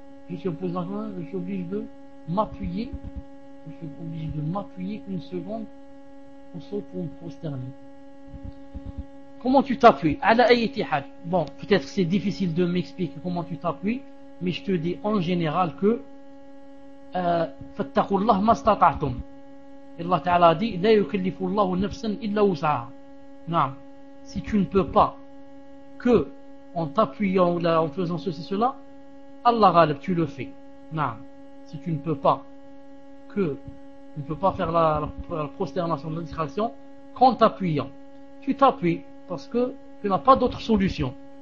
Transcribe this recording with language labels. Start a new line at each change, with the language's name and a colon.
French: Je suis obligé de m'appuyer. Je suis obligé de m'appuyer une seconde au sol pour me prosterner. Comment tu t'appuies? Bon, peut-être c'est difficile de m'expliquer comment tu t'appuies, mais je te dis en général que
Arabic: فاتقوا الله ما استطعتم. الله تعالى دي لا يكلف الله نفسا إلا وسعها. نعم.
French: Si tu ne peux pas que en t'appuyant ou en faisant ceci cela, Allah غالب, tu le fais.
Arabic: نعم.
French: Si tu ne peux pas que tu ne peux pas faire la prosternation de la distraction qu'en t'appuyant, tu t'appuies parce que tu n'as pas d'autre solution.